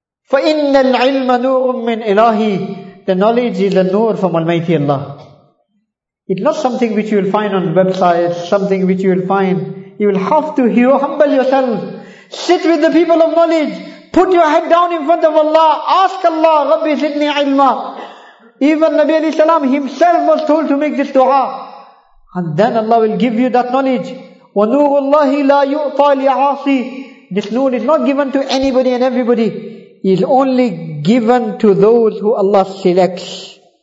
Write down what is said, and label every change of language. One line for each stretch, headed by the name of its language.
Arabic: فَإِنَّ الْعِلْمَ نُورٌ مِّنْ إِلَٰهِ.
English: The knowledge is a nur from Almighty Allah. It's not something which you will find on websites, something which you will find. You will have to humble yourself. Sit with the people of knowledge. Put your head down in front of Allah. Ask Allah,
Arabic: رَبِّ زِدْنِي عِلْمًا.
English: Even Nabi alayhi salam himself was told to make this dua. And then Allah will give you that knowledge.
Arabic: وَنُورُ اللَّهِ لَا يُؤْطَى لِعَاصِي.
English: This nur is not given to anybody and everybody. Is only given to those who Allah selects.